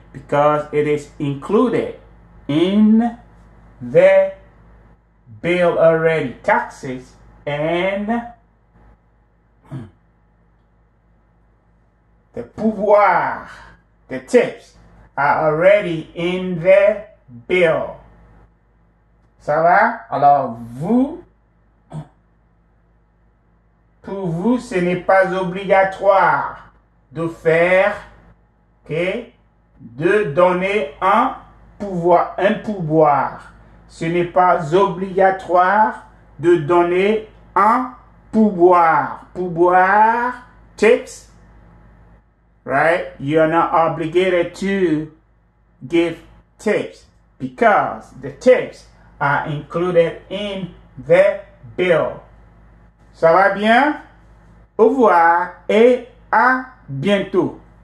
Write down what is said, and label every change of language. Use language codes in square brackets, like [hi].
[en] Because it is included in the bill already, taxes and the pouvoir, the tips are already in the bill. [fr] Ça va? Alors vous, pour vous, ce n'est pas obligatoire de faire, ok? De donner un pourboire. Ce n'est pas obligatoire de donner un pourboire. Pourboire, t [en] tips, right? You're not obligated to give tips because the tips are included in the bill. [fr] Ça va bien? Au revoir et à bientôt.